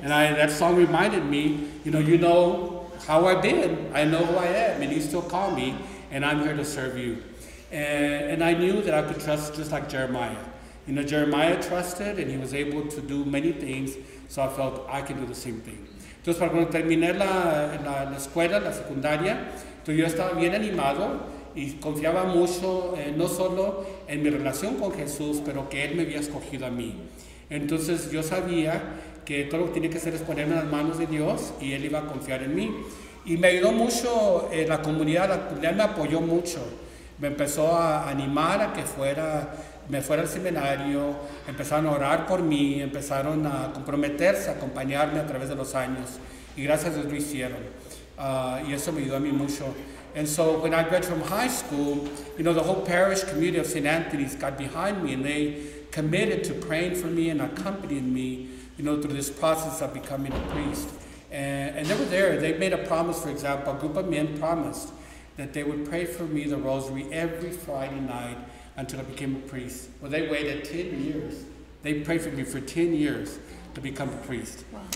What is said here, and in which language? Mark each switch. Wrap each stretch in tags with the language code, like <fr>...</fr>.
<en>And that song reminded me, you know how I've been. I know who I am. And you still call me. And I'm here to serve you. And I knew that I could trust just like Jeremiah. You know, Jeremiah trusted, and he was able to do many things, so I felt I can do the same thing.</en> <es>Entonces, para cuando terminé la escuela, la secundaria, entonces yo estaba bien animado y confiaba mucho, no solo en mi relación con Jesús, pero que Él me había escogido a mí. Entonces, yo sabía que todo lo que tenía que hacer es ponerme en las manos de Dios y Él iba a confiar en mí. Y me ayudó mucho la comunidad me apoyó mucho. Me empezó a animar a que me fuera al seminario, empezaron a orar por mí, empezaron a comprometerse, a acompañarme a través de los años. Y gracias a Dios lo hicieron. Y eso me ayudó a mí mucho.</es> <en>And so when I graduated from high school, you know, the whole parish community of St. Anthony's got behind me and they committed to praying for me and accompanying me, you know, through this process of becoming a priest. And they were there. They made a promise, for example, a group of men promised that they would pray for me the rosary every Friday night until I became a priest. Well, they waited 10 years. They prayed for me for 10 years to become a priest. Wow.</en>